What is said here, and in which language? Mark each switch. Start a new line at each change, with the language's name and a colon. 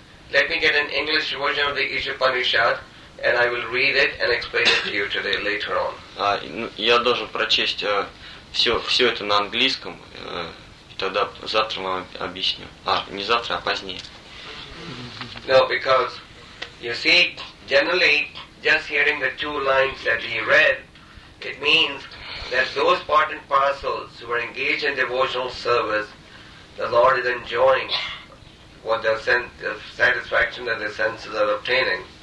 English: Let me get an English version of the Ishapanishad, and I will read it and explain it to you today, later on.
Russian: Я должен прочесть все это на английском, и тогда завтра вам объясню. Не завтра, а позднее.
English: No, because... You see, generally, just hearing the two lines that he read, it means that those part and parcels who are engaged in devotional service, the Lord is enjoying what the satisfaction that the senses are obtaining.